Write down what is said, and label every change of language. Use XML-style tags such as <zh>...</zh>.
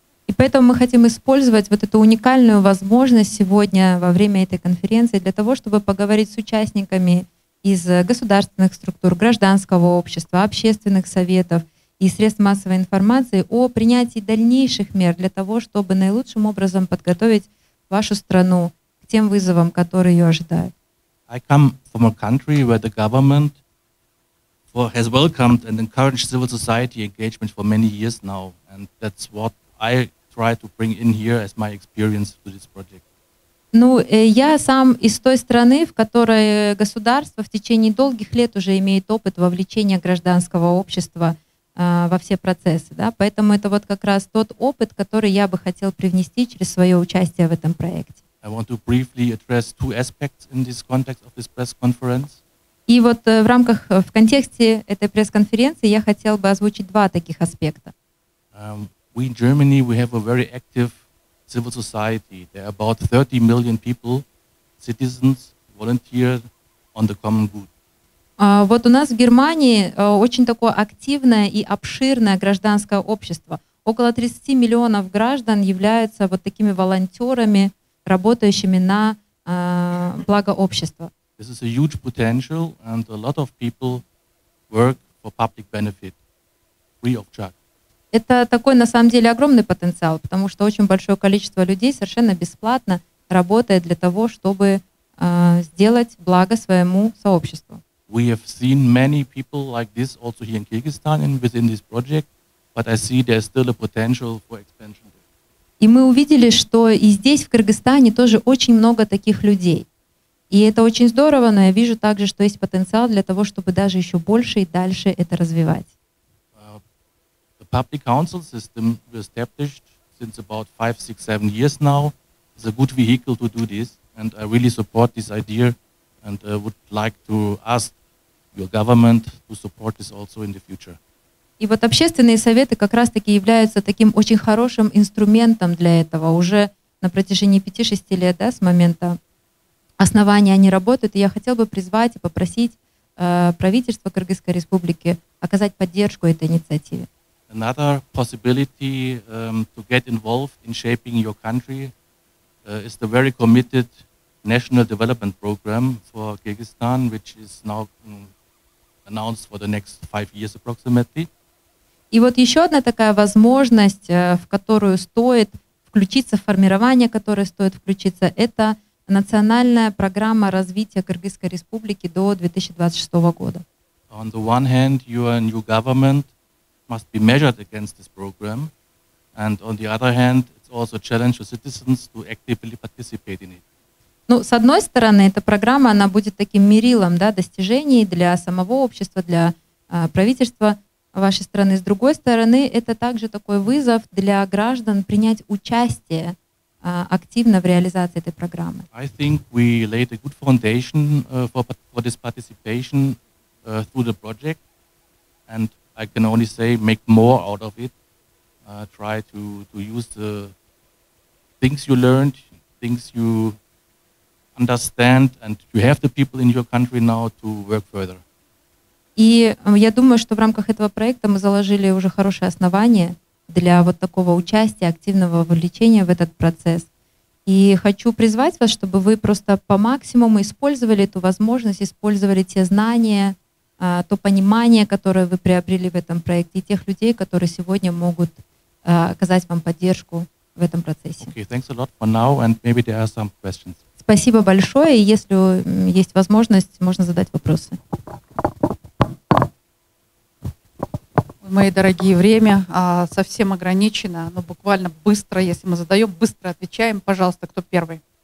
<ru>И поэтому мы хотим использовать вот эту уникальную возможность сегодня во время этой конференции для того, чтобы поговорить с участниками из государственных структур, гражданского общества, общественных советов и средств массовой информации о принятии дальнейших мер для того, чтобы наилучшим образом подготовить вашу страну к тем вызовам, которые ее ожидают.</ru> <en>I come from a country where the government has welcomed and encouraged civil society engagement for many years now, and that's what I try to bring in here as my experience to this project.</en> <ru>Ну, я сам из той страны, в которой государство в течение долгих лет уже имеет опыт вовлечения гражданского общества во все процессы, да? Поэтому это вот как раз тот опыт, который я бы хотел привнести через свое участие в этом проекте.</ru> <en>I want to briefly address two aspects in this context of this press conference.</en> <ru>И вот в контексте этой пресс-конференции я хотел бы озвучить два таких аспекта.</ru> <en>We in Germany, we have a very active civil society. There are about 30 million people, citizens, volunteers on the common good.</en> <ru>Вот у нас в Германии очень такое активное и обширное гражданское общество. Около 30 миллионов граждан являются вот такими волонтерами, работающими на благо общества.</ru> <en>This is a huge potential, and a lot of people work for public benefit, free of charge.</en> <ru>Это такой, на самом деле, огромный потенциал, потому что очень большое количество людей совершенно бесплатно работает для того, чтобы сделать благо своему сообществу.</ru> <en>We have seen many people like this also here in Kyrgyzstan and within this project, but I see there's still a potential for expansion.</en> <ru>И мы увидели, что и здесь, в Кыргызстане, тоже очень много таких людей. И это очень здорово, но я вижу также, что есть потенциал для того, чтобы даже еще больше и дальше это развивать.</ru> <en>The public council system we established since about 5-6-7 years now is a good vehicle to do this, and I really support this idea and would like to ask your government to support this also in the future.</en> <ru>И вот общественные советы как раз-таки являются таким очень хорошим инструментом для этого. Уже на протяжении 5-6 лет, да, с момента основания они работают. И я хотел бы призвать и попросить правительство Кыргызской Республики оказать поддержку этой инициативе.</ru> <en>Another possibility to get involved in shaping your country is the very committed National Development Program for Kyrgyzstan, which is now announced for the next 5 years approximately.</en> <ru>И вот еще одна такая возможность, в которую стоит включиться, формирование которой стоит включиться, это национальная программа развития Кыргызской Республики до 2026 года.</ru> <en>On the one hand, your new government must be measured against this program, and on the other hand, it's also a challenge for citizens to actively participate in it.</en> <ru>Ну, с одной стороны, эта программа, она будет таким мерилом, да, достижений для самого общества, для правительства вашей страны. С другой стороны, это также такой вызов для граждан принять участие активно в реализации этой программы.</ru> <en>I think we laid a good foundation for this participation through the project, and I can only say make more out of it. Try to use the things you learned, things you understand, and you have the people in your country now to work further.</en> <ru>И я думаю, что в рамках этого проекта мы заложили уже хорошее основание для вот такого участия, активного вовлечения в этот процесс. И хочу призвать вас, чтобы вы просто по максимуму использовали эту возможность, использовали те знания, то понимание, которое вы приобрели в этом проекте, и тех людей, которые сегодня могут оказать вам поддержку в этом процессе.</ru> <en>Okay, thanks a lot for now, and maybe there are some questions.</en> <ru>Спасибо большое, и если есть возможность, можно задать вопросы. Мои дорогие, время совсем ограничено, но буквально быстро, если мы задаем, быстро отвечаем. Пожалуйста, кто первый?</ru>